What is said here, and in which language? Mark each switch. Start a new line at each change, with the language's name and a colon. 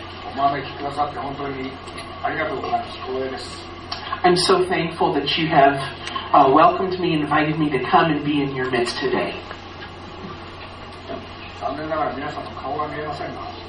Japanese: お招きくださって本当にありがとうございます。光栄です。
English: I'm so thankful that you have welcomed me, invited me to come and be in your midst today.
Japanese: 残念ながら皆さんの顔が見えませんが、